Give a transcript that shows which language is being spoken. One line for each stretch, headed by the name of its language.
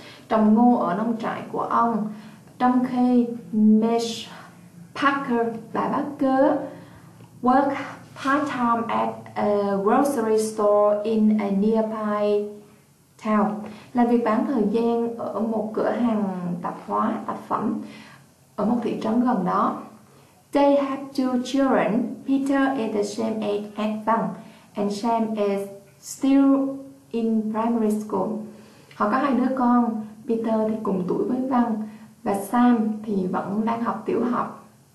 Vietnamese: Trồng ngô ở nông trại của ông, trong khi Miss Parker, bà Parker,
English: work part-time at a grocery store in a nearby town.
Vietnamese: Là việc bán thời gian ở một cửa hàng tạp hóa, tạp phẩm ở một thị trấn gần đó.
English: They have two children. Peter is the same age as Van, and Sam is still in primary school.
Vietnamese: Họ có hai đứa con, Peter thì cùng tuổi với Van, và Sam thì vẫn đang học tiểu học.